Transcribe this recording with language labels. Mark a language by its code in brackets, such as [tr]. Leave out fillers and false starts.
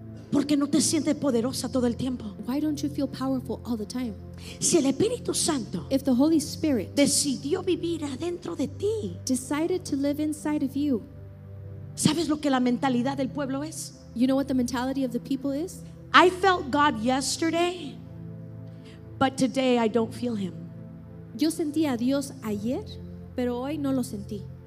[es] ¿Por qué no te sientes poderosa todo el tiempo? [en] Why don't you feel powerful all the time? [es] Si el Espíritu Santo, [en] if the Holy Spirit, [es] decidió vivir adentro de ti, [en] decided to live inside of you, [es] ¿sabes lo que la mentalidad del pueblo es? [en] You know what the mentality of the people is? I felt God yesterday, but today I don't feel him. [es] Yo sentí a Dios ayer, pero hoy no lo sentí.